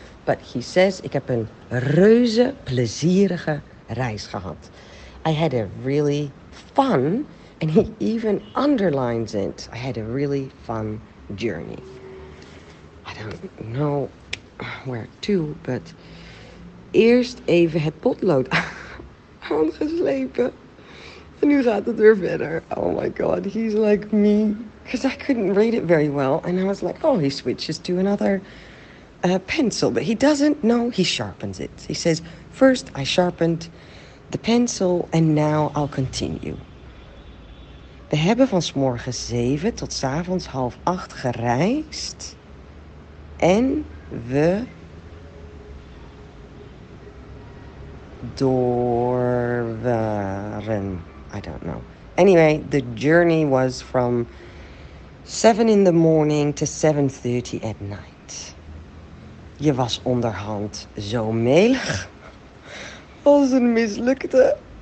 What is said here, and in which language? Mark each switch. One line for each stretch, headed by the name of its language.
English: But he says,
Dutch: ik heb een reuze plezierige reis gehad.
English: I had a really fun, and he even underlines it. I had a really fun journey. I don't know where to, but
Dutch: eerst even het potlood aangeslepen. En nu gaat het weer verder.
English: Oh my god, he's like me. Because I couldn't read it very well. And I was like, oh, he switches to another pencil. But he doesn't. No, he sharpens it. He says, first I sharpened the pencil and now I'll continue.
Dutch: We hebben van 's morgens 7 tot 's avonds 7:30 gereisd. En we doorwaren.
English: I don't know. Anyway, the journey was from 7 in the morning to 7:30 at night.
Dutch: Je was onderhand zo melig als een mislukte.